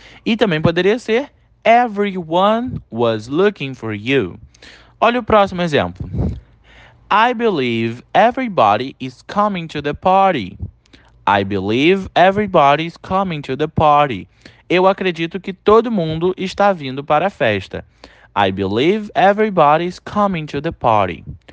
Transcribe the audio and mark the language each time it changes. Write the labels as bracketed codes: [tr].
[pt] E também poderia ser [en] everyone was looking for you. [pt] Olha o próximo exemplo. [en] I believe everybody is coming to the party. I believe everybody is coming to the party. [pt] Eu acredito que todo mundo está vindo para a festa. [en] I believe everybody is coming to the party.